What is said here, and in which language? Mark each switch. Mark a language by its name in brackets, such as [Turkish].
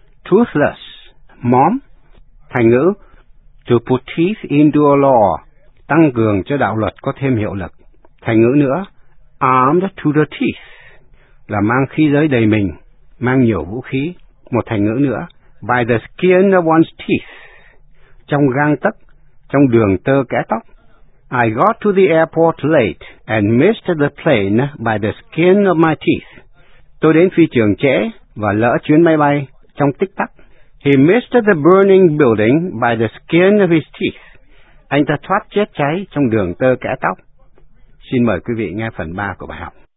[Vietnamese] Toothless, móm. Thành ngữ [English] to put teeth into a law, [Vietnamese] tăng cường cho đạo luật có thêm hiệu lực. Thành ngữ nữa, [English] armed to the teeth, [Vietnamese] là mang khí giới đầy mình, mang nhiều vũ khí. Một thành ngữ nữa, [English] by the skin of one's teeth, [Vietnamese] trong gang tấc, trong đường tơ kẽ tóc. [English] I got to the airport late and missed the plane by the skin of my teeth. [Vietnamese] Tôi đến phi trường trễ và lỡ chuyến máy bay trong tích tắc. [English] He missed the burning building by the skin of his teeth. [Vietnamese] Anh ta thoát chết cháy trong đường tơ kẽ tóc. Xin mời quý vị nghe phần 3 của bài học.